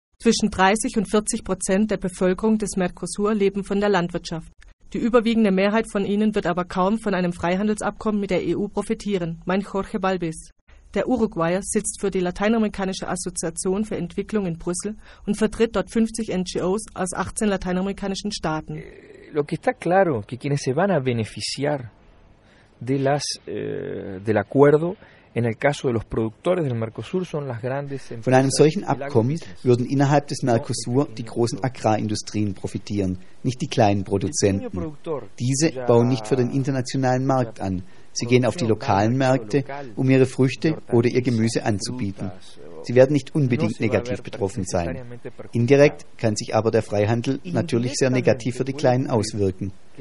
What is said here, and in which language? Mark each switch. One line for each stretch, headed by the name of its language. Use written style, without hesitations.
German: Zwischen 30% und 40% der Bevölkerung des Mercosur leben von der Landwirtschaft. Die überwiegende Mehrheit von ihnen wird aber kaum von einem Freihandelsabkommen mit der EU profitieren, meint Jorge Balbis. Der Uruguayer sitzt für die Lateinamerikanische Assoziation für Entwicklung in Brüssel und vertritt dort 50 NGOs aus 18 lateinamerikanischen Staaten.
Spanish: Lo que está claro, que quienes se van a beneficiar de las, del acuerdo en el caso de los productores del Mercosur son las grandes empresas.
German: Von einem solchen Abkommen würden innerhalb des Mercosur die großen Agrarindustrien profitieren, nicht die kleinen Produzenten. Diese bauen nicht für den internationalen Markt an. Sie gehen auf die lokalen Märkte, um ihre Früchte oder ihr Gemüse anzubieten. Sie werden nicht unbedingt negativ betroffen sein. Indirekt kann sich aber der Freihandel natürlich sehr negativ für die Kleinen auswirken.